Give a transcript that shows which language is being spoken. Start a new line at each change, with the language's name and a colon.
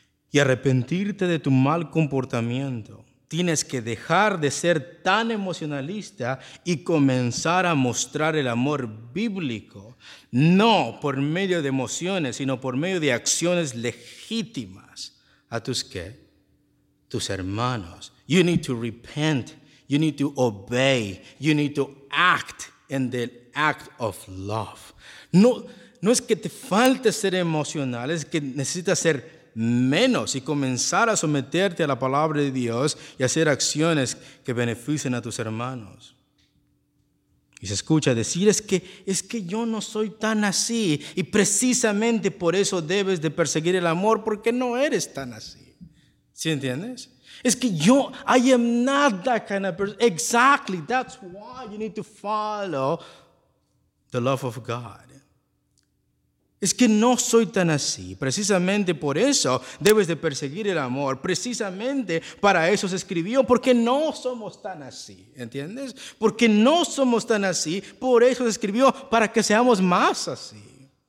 Spanish: Y arrepentirte de tu mal comportamiento, tienes que dejar de ser tan emocionalista y comenzar a mostrar el amor bíblico, no por medio de emociones, sino por medio de acciones legítimas a tus ¿qué? Tus hermanos.
English: You need to repent, you need to obey, you need to act in the act of love.
Spanish: No es que te falte ser emocional, es que necesitas ser menos y comenzar a someterte a la palabra de Dios y hacer acciones que beneficien a tus hermanos. Y se escucha decir, es que yo no soy tan así, y precisamente por eso debes de perseguir el amor, porque no eres tan así. ¿Sí entiendes? Es que yo,
English: I am not that kind of person. Exactly, that's why you need to follow the love of God.
Spanish: Es que no soy tan así. Precisamente por eso debes de perseguir el amor. Precisamente para eso se escribió. Porque no somos tan así, ¿entiendes? Porque no somos tan así, por eso se escribió, para que seamos más así.